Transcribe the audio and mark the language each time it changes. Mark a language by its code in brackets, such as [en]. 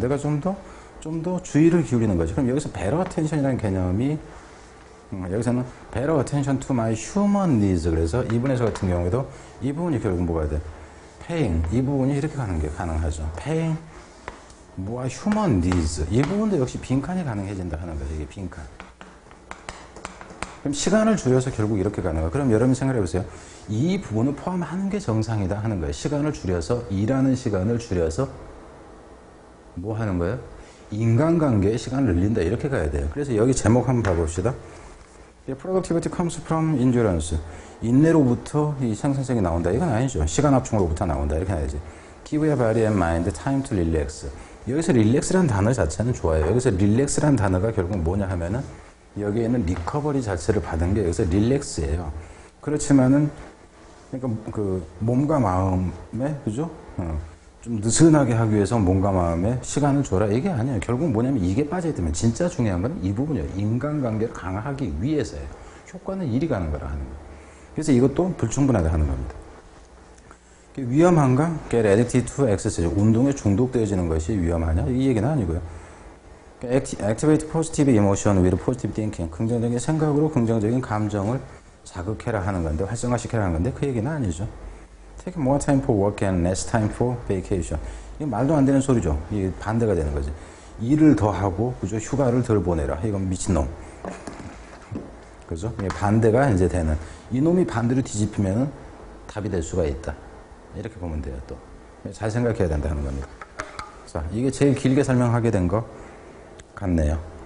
[ko] 내가 좀 더 주의를 기울이는 거지. 그럼 여기서 better attention이라는 개념이 여기서는 [en] better attention to my human needs. [ko] 그래서 이 부분에서 같은 경우에도 이 부분이 결국 뭐가 돼? [en] paying. [ko] 이 부분이 이렇게 가는 게 가능하죠. [en] paying. 뭐 human needs. [ko] 이 부분도 역시 빈칸이 가능해진다 하는 거죠. 이게 빈칸. 그럼 시간을 줄여서 결국 이렇게 가는 거예요. 그럼 여러분 생각해 보세요. 이 부분을 포함하는 게 정상이다 하는 거예요. 시간을 줄여서 일하는 시간을 줄여서 뭐 하는 거예요? 인간관계에 시간을 늘린다 이렇게 가야 돼요. 그래서 여기 제목 한번 봐봅시다. [en] The productivity comes from endurance. [ko] 인내로부터 이 생산성이 나온다. 이건 아니죠. 시간 합충으로부터 나온다 이렇게 해야지. [en] Give your body and mind time to relax. [ko] 여기서 relax라는 단어 자체는 좋아요. 여기서 relax라는 단어가 결국 뭐냐 하면은 여기 있는 리커버리 자체를 받은 게 여기서 릴렉스예요. 그렇지만은 그러니까 그 몸과 마음에 그죠? 좀 느슨하게 하기 위해서 몸과 마음에 시간을 줘라 이게 아니에요. 결국 뭐냐면 이게 빠져있으면 진짜 중요한 건 이 부분이에요. 인간관계를 강화하기 위해서예요. 효과는 이리 가는 거라 하는 거예요. 그래서 이것도 불충분하다 하는 겁니다. 위험한가? [en] Get addicted to exercise. [ko] 운동에 중독되어지는 것이 위험하냐? 이 얘기는 아니고요. [en] Activate positive emotion with positive thinking. [ko] 긍정적인 생각으로 긍정적인 감정을 자극해라 하는 건데 활성화시켜라 하는 건데 그 얘기는 아니죠. [en] Take more time for work and less time for vacation. [ko] 이게 말도 안 되는 소리죠. 이게 반대가 되는 거지. 일을 더 하고 그죠? 휴가를 덜 보내라. 이건 미친놈. 그죠? 이게 반대가 이제 되는. 이놈이 반대로 뒤집히면 답이 될 수가 있다. 이렇게 보면 돼요. 또. 잘 생각해야 된다 하는 겁니다. 자, 이게 제일 길게 설명하게 된 거. 같네요.